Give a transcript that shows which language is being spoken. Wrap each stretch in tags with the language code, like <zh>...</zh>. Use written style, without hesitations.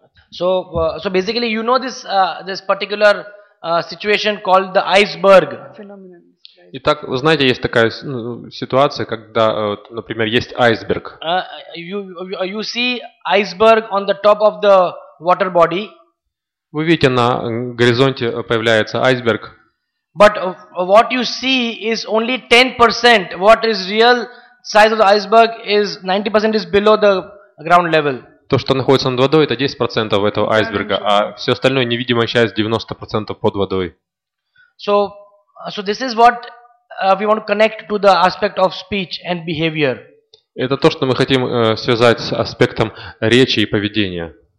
<en>So basically, you know this particular situation called the iceberg.</en> <ru>Итак, вы знаете, есть такая ситуация, когда, например, есть айсберг.</ru> <en>You see iceberg on the top of the water body.</en> <ru>Вы видите, на горизонте появляется айсберг.</ru> <en>But what you see is only 10%. What is real size of the iceberg is 90% is below the ground level.</en> <ru>То, что находится над водой, это 10% этого айсберга, а все остальное невидимая часть 90% под водой.</ru> <en>So this is what we want to connect to the aspect of speech and behavior.</en> <ru>Это то, что мы хотим связать с аспектом речи и поведения.</ru>